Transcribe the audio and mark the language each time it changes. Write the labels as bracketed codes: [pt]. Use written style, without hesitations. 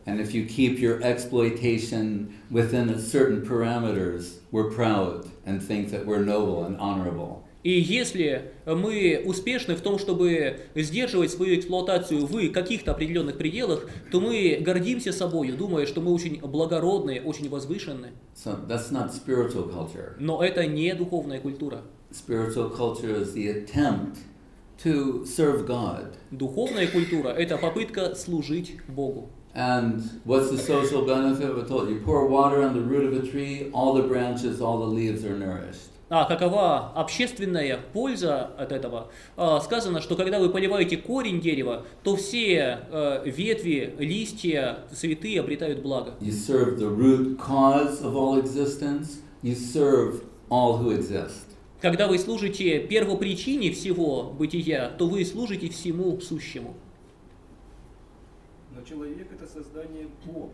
[en] And if you keep your exploitation within certain parameters, we're proud and think that we're noble and honorable. [ru] И если мы успешны в том, чтобы сдерживать свою эксплуатацию в каких-то определенных пределах, то мы гордимся собой, думая, что мы очень благородные, очень возвышенные. [en] So that's not spiritual culture. [ru] Но это не духовная культура. [en] Spiritual culture is the attempt to serve God. [ru] Духовная культура – это попытка служить Богу. [en] And what's the social benefit? We're told you pour water on the root of a tree, all the branches, all the leaves are nourished. [ru] А какова общественная польза от этого? Сказано, что когда вы поливаете корень дерева, то все ветви, листья, цветы обретают благо. [en] You serve the root cause of all existence. You serve all who exist. [ru] Когда вы служите первопричине всего бытия, то вы служите всему сущему. Но человек – это создание Бога.